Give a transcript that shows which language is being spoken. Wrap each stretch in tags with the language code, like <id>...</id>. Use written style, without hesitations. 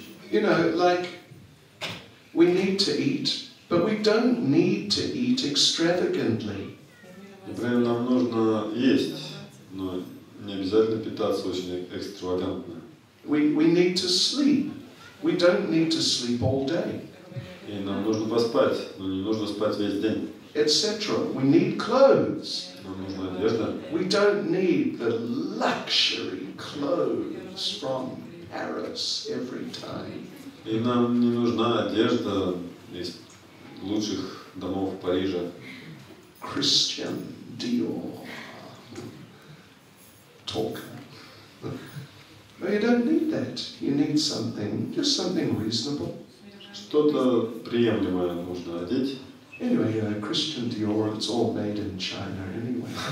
<en>You know, like, we need to eat, but we don't need to eat extravagantly.</en> <ru>Нам нужно есть, но не обязательно питаться очень экстравагантно.</ru> <en>We need to sleep. We don't need to sleep all day.</en> <ru>И нам нужно поспать, но не нужно спать весь день.</ru> <en>Etc. We need clothes.</en> <ru>Нам нужна одежда.</ru> <en>We don't need the luxury clothes from Paris every time.</en> <ru>И нам не нужна одежда из лучших домов Парижа.</ru> <en>Christian Dior. Talk. No, you don't need that. You need something, just something reasonable.</en> <ru>Что-то приемлемое нужно одеть.</ru> <en>Anyway, Christian Dior, it's all made in China anyway.</en>